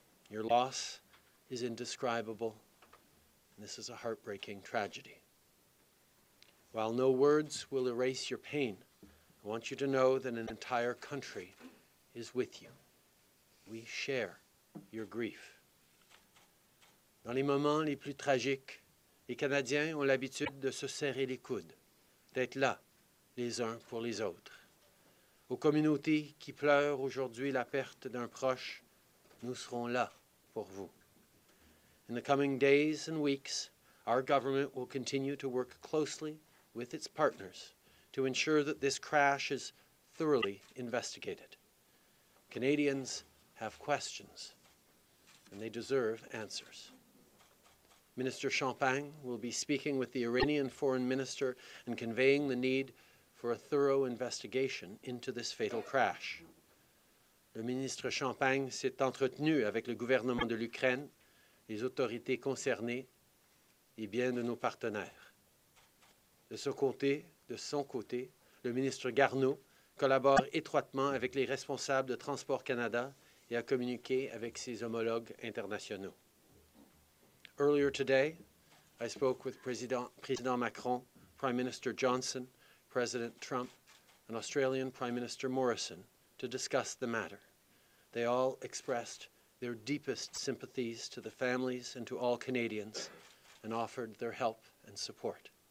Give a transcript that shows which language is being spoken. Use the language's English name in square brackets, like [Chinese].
[English] Your loss is indescribable, and this is a heartbreaking tragedy. While no words will erase your pain, I want you to know that an entire country is with you. We share your grief. [French] Dans les moments les plus tragiques, les Canadiens ont l'habitude de se serrer les coudes, d'être là, les uns pour les autres. Aux communautés qui pleurent aujourd'hui la perte d'un proche, nous serons là pour vous. [English] In the coming days and weeks, our government will continue to work closely with its partners to ensure that this crash is thoroughly investigated. Canadians have questions, and they deserve answers. Minister Champagne will be speaking with the Iranian Foreign Minister and conveying the need for a thorough investigation into this fatal crash. [French] Le ministre Champagne s'est entretenu avec le gouvernement de l'Ukraine, les autorités concernées et bien de nos partenaires. De son côté, le ministre Garneau collabore étroitement avec les responsables de Transport Canada et a communiqué avec ses homologues internationaux. [English] Earlier today, I spoke with President Macron, Prime Minister Johnson, President Trump, and Australian Prime Minister Morrison to discuss the matter. They all expressed their deepest sympathies to the families and to all Canadians and offered their help and support.